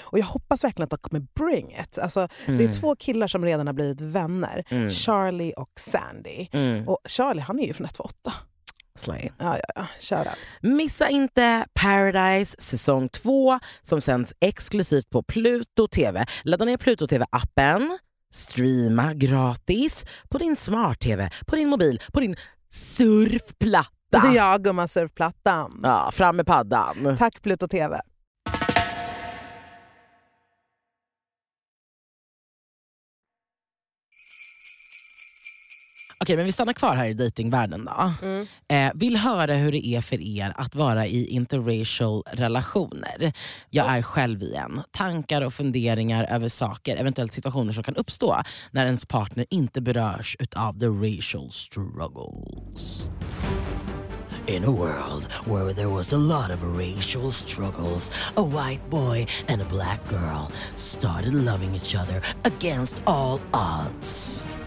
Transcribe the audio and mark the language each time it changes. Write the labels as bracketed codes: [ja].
[sv] Och jag hoppas verkligen att de kommer [en] bring it. [sv] Alltså, det är två killar som redan har blivit vänner. Mm. Charlie och Sandy. Mm. Och Charlie, han är ju från 128. Slay. Ja, kör att. Missa inte Paradise säsong 2, som sänds exklusivt på Pluto TV. Ladda ner Pluto TV-appen. Streama gratis på din smart-tv, på din mobil, på din surfplatta. Det är jag, gumman surfplattan. Ja, fram med paddan. Tack Pluto TV. Okej, men vi stannar kvar här i datingvärlden då. Mm. Vill höra hur det är för er att vara i interracial relationer. Jag är själv igen. Tankar och funderingar över saker, eventuellt situationer som kan uppstå när ens partner inte berörs utav [en] the racial struggles. In a world where there was a lot of racial struggles, a white boy and a black girl started loving each other against all odds.